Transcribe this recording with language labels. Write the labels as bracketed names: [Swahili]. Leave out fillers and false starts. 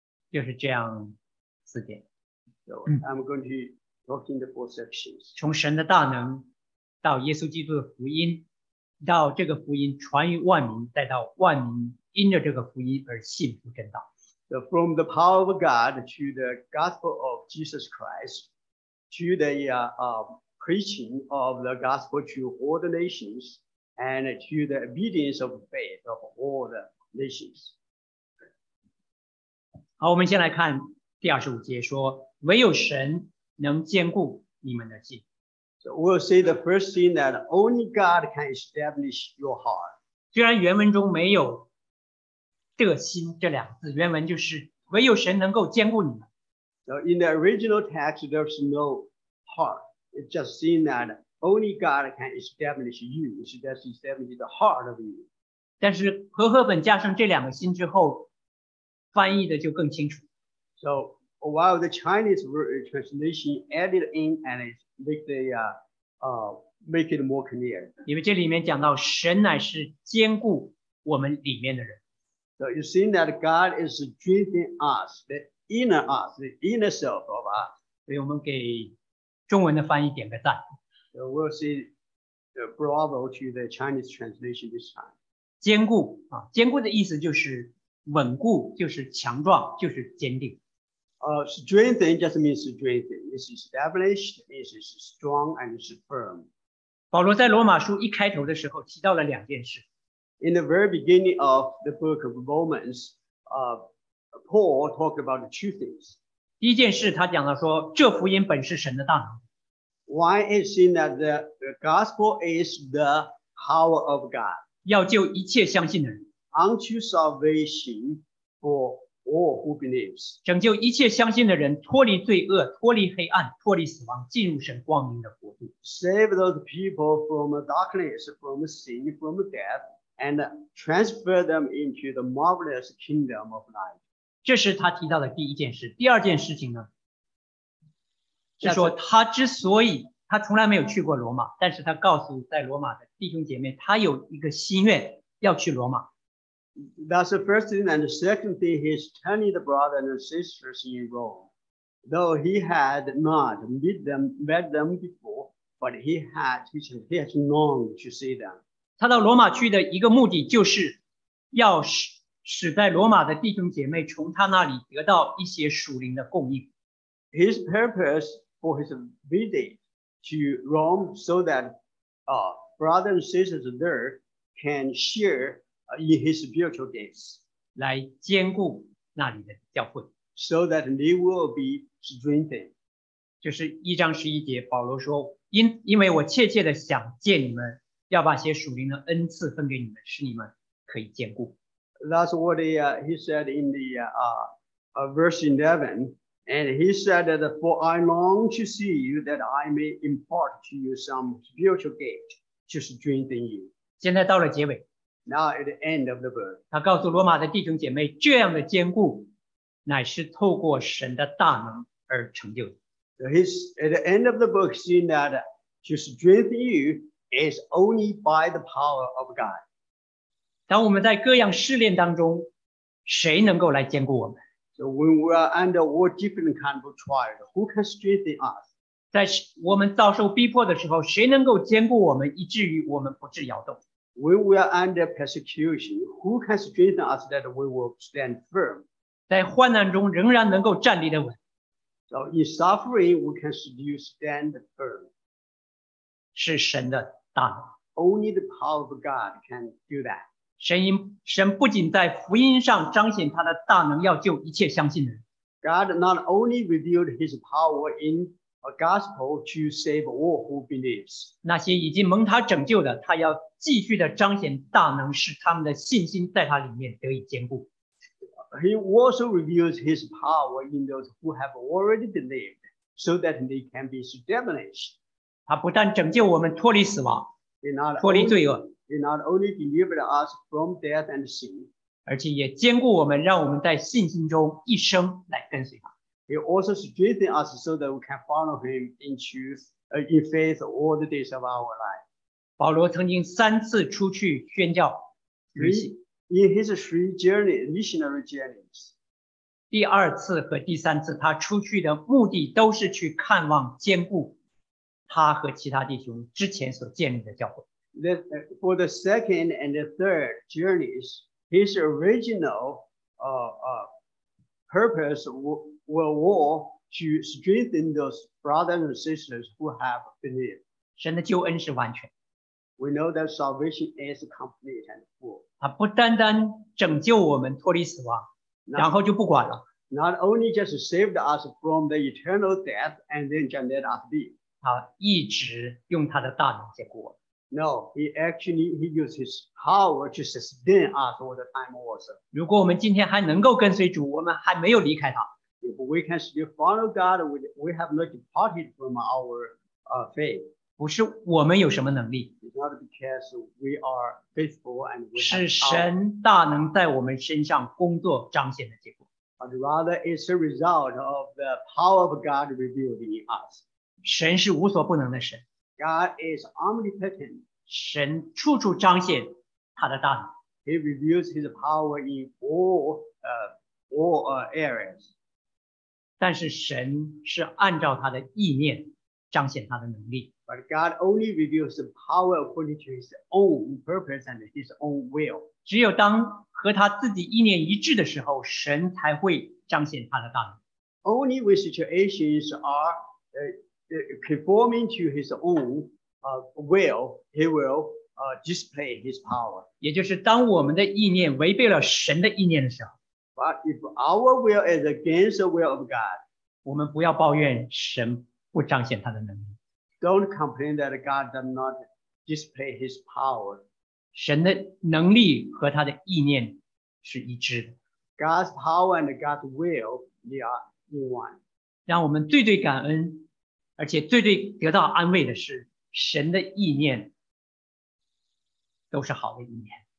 [Chinese] 就是这样四点。 [English] So I'm going to talk in the four sections. [Chinese] 从神的大能到耶稣基督的福音，到这个福音传于万民，再到万民因着这个福音而信服真道。 [English] So from the power of God to the gospel of Jesus Christ to the preaching of the gospel to all the nations and to the obedience of faith of all the nations. [Chinese] 好，我们先来看第二十五节，说唯有神能坚固你们的心。 [English] So we'll say the first thing that only God can establish your heart. [Chinese] 虽然原文中没有这个心这两个字，原文就是唯有神能够坚固你们。 [English] So in the original text, there's no heart. It just saying that only God can establish you. It's just establishing the heart of you. [Chinese] 但是和合本加上这两个心之后，翻译的就更清楚。 [English] So while the Chinese translation added in and it make the make it more clear. [Chinese] 因为这里面讲到神乃是坚固我们里面的人。 [English] So you see that God is strengthening us, the inner us, the inner self of us. [Chinese] 所以我们给中文的翻译点个赞。 [English] So we'll say bravo to the Chinese translation this time. [Chinese] 坚固啊，坚固的意思就是稳固，就是强壮，就是坚定。 [English] Strengthen just means strengthen. It's established, it's strong and it's firm. [Chinese] 保罗在罗马书一开头的时候提到了两件事。 [English] In the very beginning of the book of Romans, Paul talked about two things. [Chinese] 第一件事他讲了说这福音本是神的大能。 [English] Why is it that the gospel is the power of God? [Chinese] 要救一切相信的人。 [English] Unto salvation for all who believes. [Chinese] 拯救一切相信的人脱离罪恶脱离黑暗脱离死亡进入神光明的国度。 [English] Save those people from darkness, from sin, from death. And transfer them into the marvelous kingdom of life. [Chinese] 这是他提到的第一件事。第二件事情呢，是说他之所以他从来没有去过罗马，但是他告诉在罗马的弟兄姐妹，他有一个心愿要去罗马。 [English] That's the first thing, and the second thing, he's telling the brothers and sisters in Rome, though he had not met them before, but he has longed to see them. [Chinese] 他到罗马去的一个目的就是要使在罗马的弟兄姐妹从他那里得到一些属灵的供应。 [English] His purpose for his visit to Rome so that brothers and sisters there can share in his spiritual gifts. [Chinese] 来坚固那里的教会。 [English] So that they will be strengthened. [Chinese] 就是一章十一节，保罗说，因为我切切的想见你们，要把些属灵的恩赐分给你们，使你们可以坚固。 [English] That's what he said in the verse 11. And he said that for I long to see you that I may impart to you some spiritual gift, [Chinese] 就是 [English] strengthen you. [Chinese] 现在到了结尾。 [English] Now at the end of the verse. [Chinese] 他告诉罗马的弟兄姐妹，这样的坚固乃是透过神的大能而成就的。 [English] So he's at the end of the book saying that to strengthen you is only by the power of God. [Chinese] 当我们在各样试炼当中，谁能够来坚固我们？ [English] So when we are under what different kind of trial, who can strengthen us? [Chinese] 在我们遭受逼迫的时候，谁能够坚固我们，以至于我们不致摇动？ [English] When we are under persecution, who can strengthen us that we will stand firm? [Chinese] 在患难中仍然能够站立得稳。 [English] So in suffering, we can still stand firm. [Chinese] 是神的大能。 [English] Only the power of God can do that. [Chinese] 神不仅在福音上彰显他的大能，要救一切相信的人。 [English] God not only revealed his power in a gospel to save all who believes. [Chinese] 那些已经蒙他拯救的，他要继续的彰显大能，使他们的信心在他里面得以坚固。 [English] He also reveals his power in those who have already believed so that they can be established. [Chinese] 他不但拯救我们脱离死亡, 脱离罪恶, [English] He not only delivered us from death and sin, [Chinese] 而且也坚固我们, 让我们在信心中一生来跟随他。 [English] He also strengthened us so that we can follow him in truth, in faith all the days of our life. [Chinese] 保罗曾经三次出去宣教, 旅行。 [English] In his three journeys, missionary journeys. [Chinese] 第二次和第三次他出去的目的都是去看望坚固他和其他弟兄之前所建立的教会。 [English] For the second and the third journeys, his original purpose was to strengthen those brothers and sisters who have believed. [Chinese] 神的救恩是完全。 [English] We know that salvation is complete and full. [Chinese] 他不单单拯救我们脱离死亡， [English] not, [Chinese] 然后就不管了。 [English] Not only just saved us from the eternal death and then just let us be. [Chinese] 他一直用他的大能坚固我们。 [English] No, he used his power to sustain us all the time also. [Chinese] 如果我们今天还能够跟随主，我们还没有离开他。 [English] If we can still follow God, we have not departed from our faith. [Chinese] 不是我们有什么能力。 [English] Not because we are faithful and we have power. [Chinese] 是神大能在我们身上工作彰显的结果。 [English] But rather it's a result of the power of God revealed in us. [Chinese] 神是无所不能的神。 [English] God is omnipotent. [Chinese] 神处处彰显他的大能。 [English] He reveals his power in all areas. [Chinese] 但是神是按照他的意念彰显他的能力。 [English] But God only reveals the power according to his own purpose and his own will. [Chinese] 只有当和他自己意念一致的时候，神才会彰显他的大能。 [English] Only when situations are conforming to his own will, he will display his power. [Chinese] 也就是当我们的意念违背了神的意念的时候。 [English] But if our will is against the will of God, [Chinese] 我们不要抱怨神不彰显他的能力。 [English] Don't complain that God does not display his power. [Chinese] 神的能力和他的意念是一致的。 [English] God's power and God's will, they are in one. [Chinese] 让我们最最感恩，而且最最得到安慰的是，神的意念都是好的意念。